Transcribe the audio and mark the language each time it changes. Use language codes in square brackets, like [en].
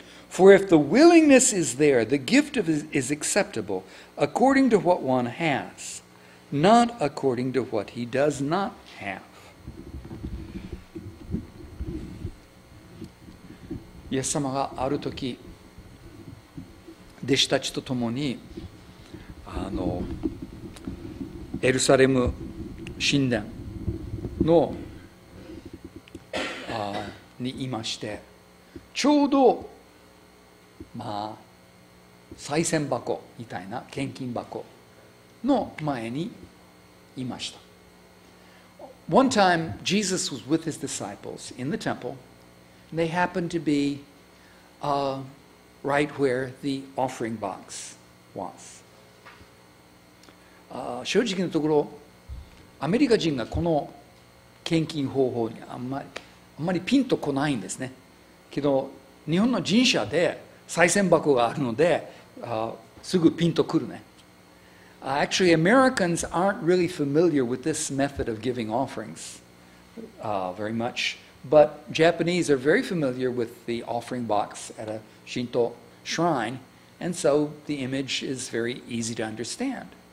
[en] For if the willingness is there, the gift is acceptable according to what one has, not according to what he does not have. [ja] イエス様がある時、弟子たちと共にエルサレム神殿のにいまして、ちょうどまあ、賽銭箱みたいな献金箱の前にいました。 [en] One time, Jesus was with his disciples in the temple, and they happened to be right where the offering box was. [ja] 正直なところ、アメリカ人がこの献金方法にあんまりピンとこないんですね。けど、日本の神社で、賽銭箱があるので、すぐピンとくるね。 [en] Actually, Americans aren't really familiar with this method of giving offerings very much, but Japanese are very familiar with the offering box at a Shinto shrine, and so the image is very easy to understand.